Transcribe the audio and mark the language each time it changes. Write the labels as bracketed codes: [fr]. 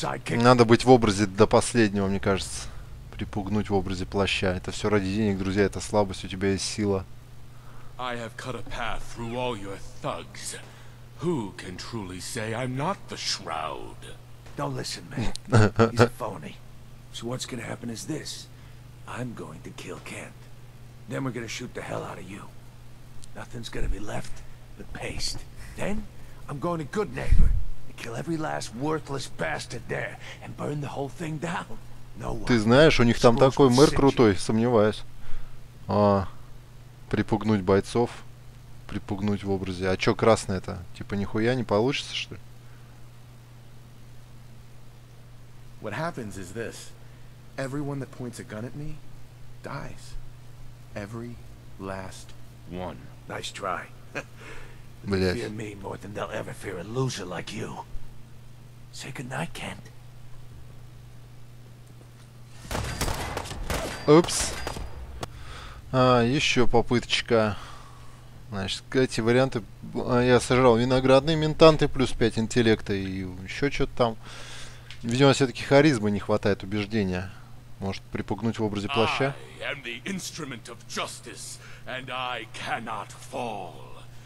[ru] Надо быть в образе до последнего, мне кажется. Припугнуть в образе плаща. Это все ради денег, друзья, это слабость, у тебя есть сила. [en] I have cut a path through all your thugs. Who can truly say I'm not the Shroud? Don't listen, man. He's a phony. So what's gonna happen is this. I'm going to kill Kent. Then we're gonna shoot the hell out of you. Nothing's gonna be left but paste. Then I'm going to Good Neighbor. Kill every last worthless bastard there and burn the whole thing down. No one. [ru] Ты знаешь, у них там такой мэр крутой, сомневаюсь. А, припугнуть бойцов, припугнуть в образе. А чё красное-то? Типа нихуя не получится, что ли? [en] What happens is this: everyone that points a gun at me dies. Every last one. Nice try. They fear me more than they'll ever fear a loser like you. Say goodnight, Kent. [ru] Упс. А, еще попыточка. Значит, эти варианты... я сожрал виноградные ментанты плюс 5 интеллекта и еще что-то там. Видимо, все-таки харизмы не хватает, убеждения. Может, припугнуть в образе плаща? [en] I am the instrument of justice, and I cannot fall.